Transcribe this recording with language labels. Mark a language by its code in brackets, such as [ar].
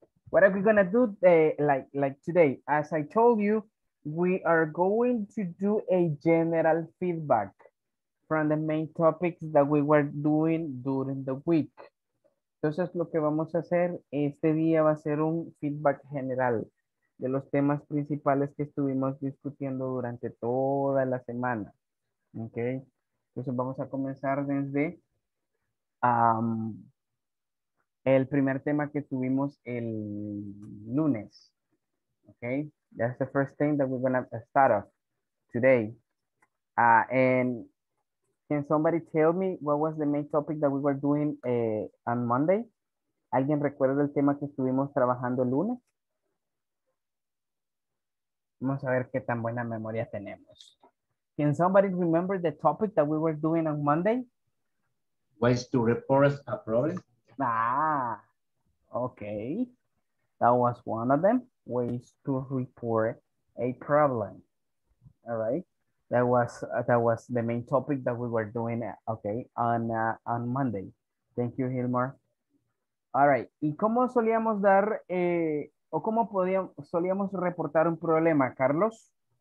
[en] What are we going to do like today? As I told you, we are going to do a general feedback from the main topics that we were doing during the week. [es] Entonces, lo que vamos a hacer este día va a ser un feedback general de los temas principales que estuvimos discutiendo durante toda la semana. Ok. Entonces, vamos a comenzar desde el primer tema que tuvimos el lunes. [en] Ok. That's the first thing that we're going to start off today. And can somebody tell me what was the main topic that we were doing on Monday? [es] ¿Alguien recuerda el tema que estuvimos trabajando el lunes? Vamos a ver qué tan buena memoria tenemos. [en] Can somebody remember the topic that we were doing on Monday? Ways to report a problem. Ah, okay. That was one of them. Ways to report a problem. All right. That was the main topic that we were doing, okay, on Monday. Thank you, Hilmar. All right. [es] ¿Y cómo solíamos dar, o cómo podíamos, solíamos reportar un problema, Carlos?